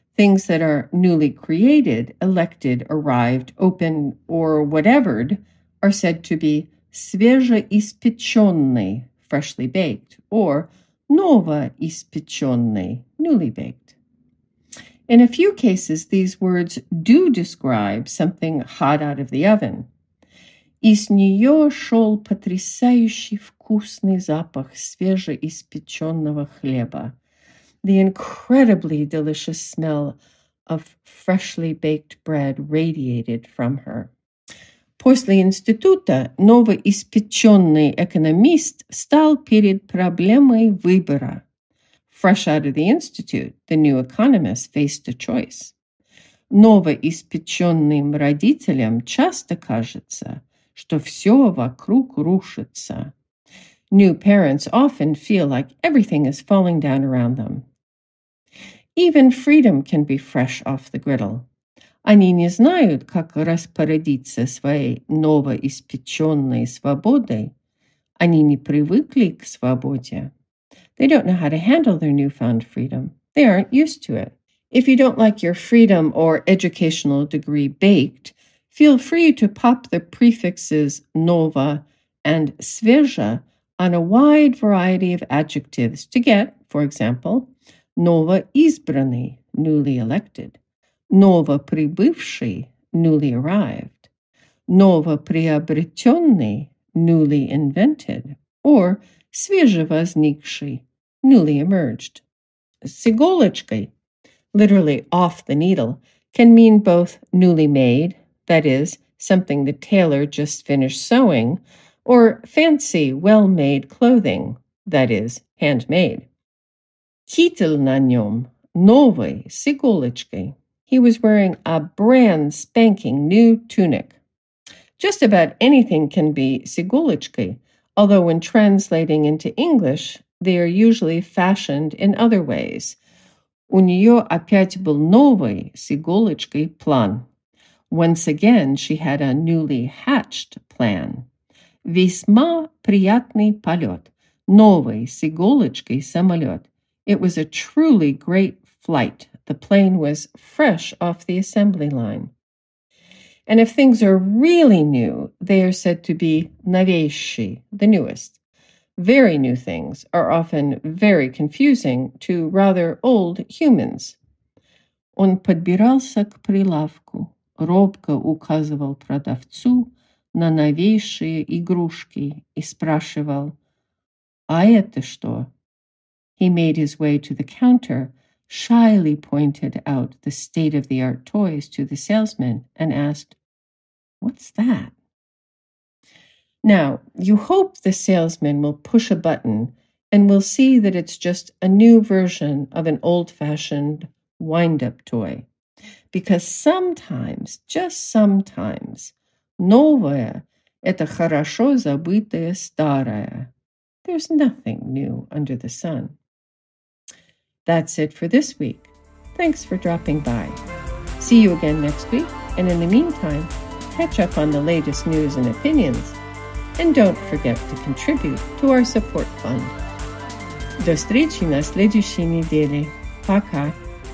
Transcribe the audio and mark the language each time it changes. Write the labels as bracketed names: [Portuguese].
[English] things that are newly created, elected, arrived, open, or whatevered, are said to be свежеиспеченные, freshly baked, or новоиспеченные, newly baked. In a few cases, these words do describe something hot out of the oven. [Russian] Из нее шел потрясающий вкусный запах свежеиспеченного хлеба. [English] The incredibly delicious smell of freshly baked bread radiated from her. [Russian] После института новоиспеченный экономист стал перед проблемой выбора. [English] Fresh out of the institute, the new economist faced a choice. [Russian] Новоиспеченным родителям часто кажется, что все вокруг рушится. [English] New parents often feel like everything is falling down around them. Even freedom can be fresh off the griddle. [Russian] Они не знают, как распорядиться своей новоиспеченной свободой. Они не привыкли к свободе. [English] They don't know how to handle their newfound freedom. They aren't used to it. If you don't like your freedom or educational degree baked, feel free to pop the prefixes nova and свежа on a wide variety of adjectives to get, for example, новоизбранный, newly elected, новоприбывший, newly arrived, новоприобретенный, newly invented, or свежевозникший, newly emerged. С иголочкой, literally off the needle, can mean both newly made, that is, something the tailor just finished sewing, or fancy, well-made clothing, that is, handmade. [Russian] Китель на нем новый с иголочкой. [English] He was wearing a brand spanking new tunic. Just about anything can be с иголочкой, although when translating into English, they are usually fashioned in other ways. [Russian] У нее опять был новый с иголочкой план. [English] Once again, she had a newly hatched plan. [Russian] Весьма приятный полет. Новый с иголочкой самолет. [English] It was a truly great flight. The plane was fresh off the assembly line. And if things are really new, they are said to be новейшие, the newest. Very new things are often very confusing to rather old humans. [Russian] Он подбирался к прилавку, робко указывал продавцу на новейшие игрушки и спрашивал, «А это что?» [English] He made his way to the counter, shyly pointed out the state-of-the-art toys to the salesman and asked, "What's that?" Now, you hope the salesman will push a button and will see that it's just a new version of an old-fashioned wind-up toy. Because sometimes, just sometimes, [Russian] новое – это хорошо забытое старое. [English] There's nothing new under the sun. That's it for this week. Thanks for dropping by. See you again next week, and in the meantime, catch up on the latest news and opinions. And don't forget to contribute to our support fund. [Russian] До встречи на следующей неделе. Пока.